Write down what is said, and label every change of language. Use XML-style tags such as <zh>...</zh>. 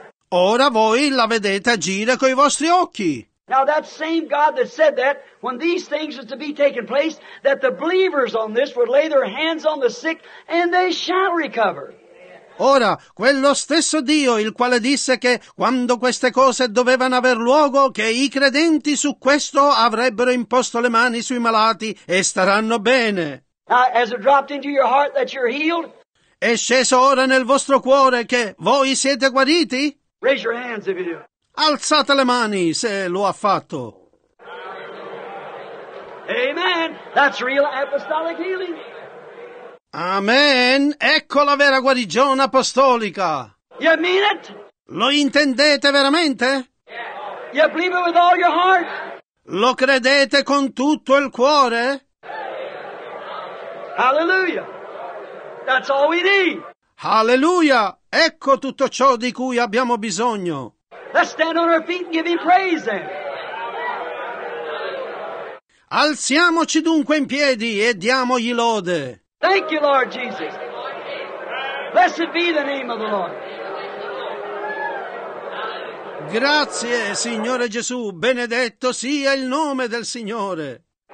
<it>Ora voi la vedete agire coi vostri occhi.</it> <en>Now that same God that said that, when these things were to be taking place, that the believers on this would lay their hands on the sick and they shall recover.</en> <it>Ora, quello stesso Dio il quale disse che quando queste cose dovevano aver luogo, che i credenti su questo avrebbero imposto le mani sui malati e staranno bene.</it> <en>Now, has it dropped into your heart that you're healed?</en> <it>È sceso ora nel vostro cuore che voi siete guariti?</it> <en>Raise your hands if you do.</en> <it>Alzate le mani se lo ha fatto.</it> <en>Amen. That's real apostolic healing. Amen.</en> <it>Ecco la vera guarigione apostolica.</it> <en>You mean it?</en> <it>Lo intendete veramente?</it> <en>You believe it with all your heart?</en> <it>Lo credete con tutto il cuore?</it> <en>Hallelujah. That's all we need. Hallelujah.</en> <it>Ecco tutto ciò di cui abbiamo bisogno.</it> <en>Let's stand on our feet and give Him praise then.</en> <it>Alziamoci dunque in piedi e diamogli lode.</it> <en>Thank you, Lord Jesus. Blessed be the name of the Lord.</en> <it>Grazie, Signore Gesù, benedetto sia il nome del Signore.</it>